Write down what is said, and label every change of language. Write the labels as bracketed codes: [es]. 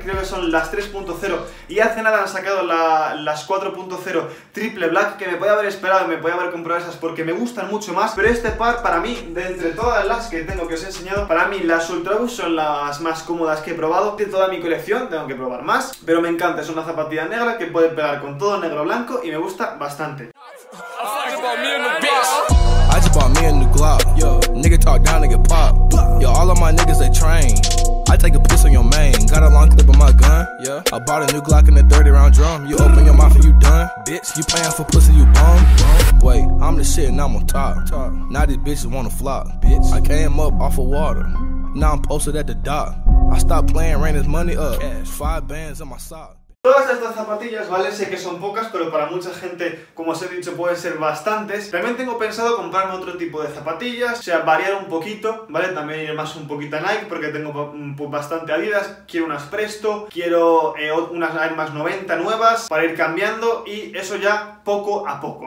[es] Creo que son las 3.0, y hace nada han sacado las 4.0 Triple Black, que me podía haber esperado y me podía haber comprado esas porque me gustan mucho más, pero este par para mí, de entre todas las que tengo que os he enseñado, para mí las Ultra Boost son las más cómodas que he probado de toda mi colección, tengo que probar más, pero me encanta, es una zapatilla negra que puede pegar con todo negro blanco y me gusta bastante. [en] I just bought me a new Glock. Yo, nigga talk down, nigga pop. Yo, all of my niggas they train. I take a piss on your main. Got a long clip of my gun. Yeah, I bought a new Glock and a 30 round drum. You open your mouth and you done, bitch. You paying for pussy, you bum. Wait, I'm the shit and I'm on top. Now these bitches wanna flop, bitch. I came up off of water. Now I'm posted at the dock. I stopped playing, ran his money up. Cash, 5 bands in my sock. [es] Todas estas zapatillas, ¿vale? Sé que son pocas, pero para mucha gente, como os he dicho, pueden ser bastantes. También tengo pensado comprarme otro tipo de zapatillas, o sea, variar un poquito, ¿vale? También ir más un poquito a Nike, porque tengo bastante Adidas. Quiero unas Presto, quiero unas Air Max 90 nuevas para ir cambiando, y eso ya poco a poco.